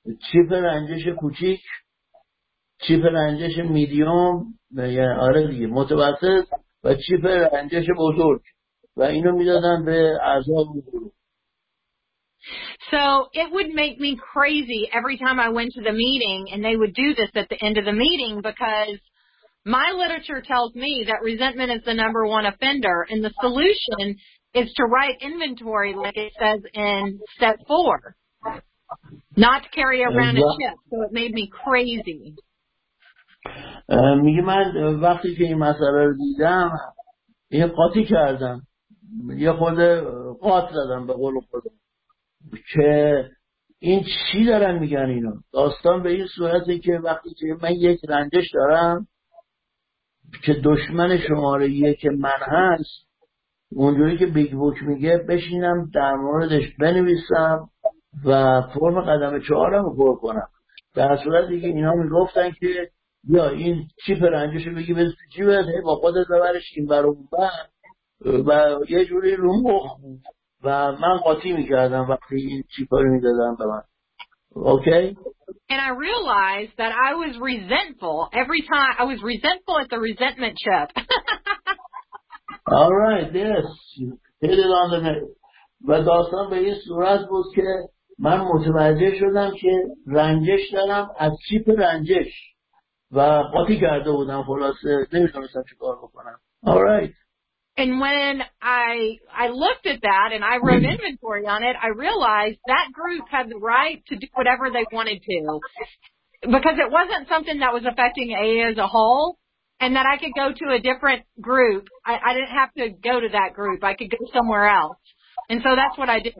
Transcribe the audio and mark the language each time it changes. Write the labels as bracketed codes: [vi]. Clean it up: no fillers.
[fa] چیپ رنجش کوچیک، چیپ رنجش میدیوم، یعنی آره دیگه متوسط و چیپ رنجش بزرگ، و اینو میدادن به اعضا بزرگ. [en] So it would make me crazy every time I went to the meeting and they would do this at the end of the meeting, because my literature tells me that resentment is the number one offender and the solution is to write inventory like it says in step four, not to carry around a chip. So it made me crazy. [fa] میگه من وقتی که این مسئله رو دیدم یه قاطی کردم، یه خود قاط زدم به قول خودم که این چی دارن میگن اینا. داستان به این صورته که وقتی که من یک رنجش دارم که دشمن شماره یک من هست، اونجوری که بیگ بوک میگه بشینم در موردش بنویسم و فرم قدم چهارم رو پر کنم. در صورت دیگه اینا میگفتن که یا این چیپ رنجش رو بگی بزنی جیبت، هی با خودت ببرش این بر اون بر و یه جوری رو مخ بود و من قاطی میکردم وقتی این چیپ رو میدادم به من. [en] Okay. And I realized that I was resentful every time. I was resentful at the resentment chip. All right. Yes. You hit it on the head. But [fa] داستان به این صورت بود که من متوجه شدم که رنجش دارم از چیپ رنجش و قاطی کرده بودم. خلاصه نمیتونستم چیکار بکنم. [en] All right. And when I looked at that and I wrote inventory on it, I realized that group had the right to do whatever they wanted to, because it wasn't something that was affecting AA as a whole, and that I could go to a different group. I didn't have to go to that group. I could go somewhere else. And so that's what I did.